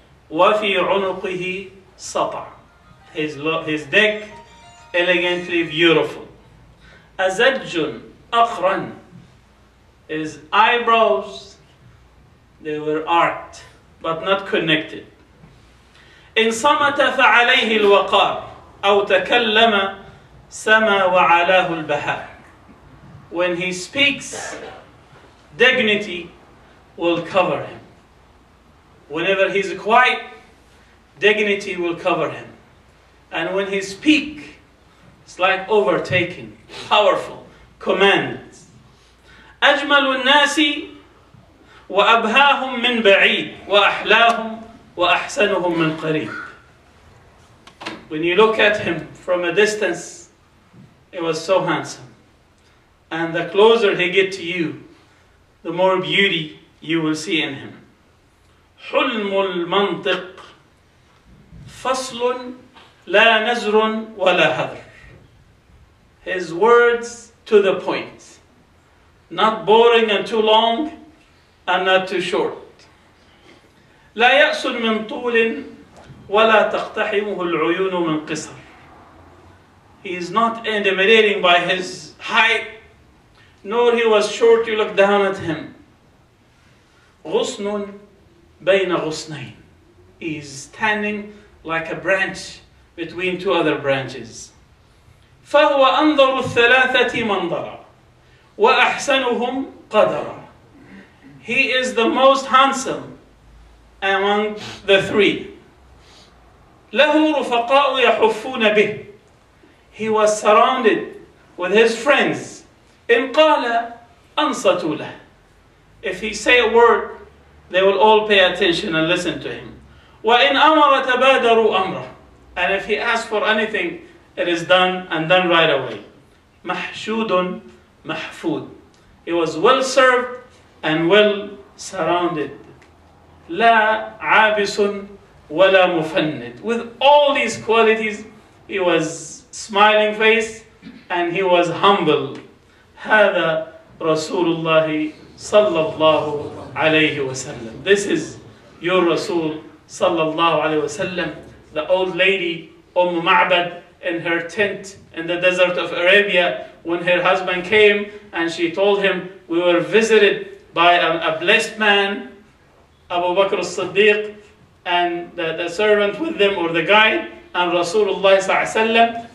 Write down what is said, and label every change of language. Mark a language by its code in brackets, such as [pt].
[ar] وفي عنقه سطع. [en] His neck, elegantly beautiful. [ar] أزج أخرن. [en] His eyebrows, they were arched but not connected. [ar] إن صمت فعليه الوقار أو تكلم سما وعلاه البهاء. [en] When he speaks, dignity will cover him. Whenever he's quiet, dignity will cover him. And when he speaks, it's like overtaking, powerful, commands. [ar] أجمل الناس وأبهاهم من بعيد وأحلاهم وَأَحْسَنُهُمْ مِنْ قَرِيبٍ. [en] When you look at him from a distance, it was so handsome. And the closer he gets to you, the more beauty you will see in him. [ar] حلم المنطق فصل لا نزر ولا هذر. [en] His words to the point, not boring and too long, and not too short. [ar] لا يأس من طول ولا تقتحمه العيون من قصر. [en] He is not intimidating by his height, nor he was short, you look down at him. [ar] غصن بين غصنين. [en] He is standing like a branch between two other branches. [ar] فهو أنظر الثلاثة منظرا وأحسنهم قدرا. [en] He is the most handsome among the three. [ar] له رفقاء يحفون به. [en] He was surrounded with his friends. [ar] إن قال أنصتوا له. [en] If he say a word, they will all pay attention and listen to him. [ar] وإن أمر تبادروا أمره. [en] And if he asks for anything, it is done and done right away. [ar] محشود محفود. [en] He was well served and well surrounded. [ar] لا عابس ولا مفند. [en] With all these qualities, he was smiling face and he was humble. [ar] هذا رسول الله صلى الله عليه وسلم. [en] This is your رسول [ar] صلى الله عليه وسلم. [en] The old lady, Umm Ma'bad, in her tent in the desert of Arabia, when her husband came and she told him, we were visited by a blessed man, Abu Bakr al-Siddiq, and the servant with them, or the guide, and Rasulullah [ar] صلى الله عليه وسلم.